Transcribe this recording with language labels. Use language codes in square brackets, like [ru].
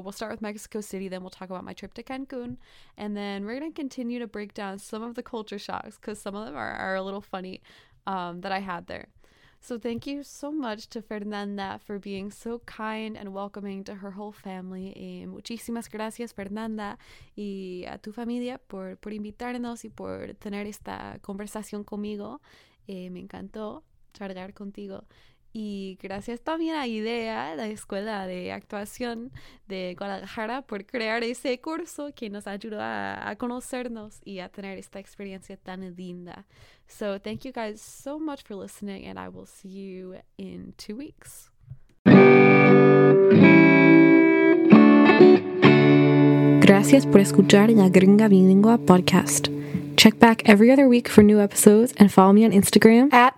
[en] We'll start with Mexico City, then we'll talk about my trip to Cancun, and then we're going to continue to break down some of the culture shocks, because some of them are a little funny, that I had there. So thank you so much to Fernanda for being so kind and welcoming to her whole family. [es] Muchísimas gracias, Fernanda, y a tu familia por invitarnos y por tener esta conversación conmigo. Me encantó charlar contigo. Y gracias también a IDEA, la Escuela de Actuación de Guadalajara, por crear ese curso que nos ayudó a conocernos y a tener esta experiencia tan linda. [en] So thank you guys so much for listening, and I will see you in 2 weeks. [es] Gracias por escuchar La Gringa Bilingua Podcast. [en] Check back every other week for new episodes and follow me on Instagram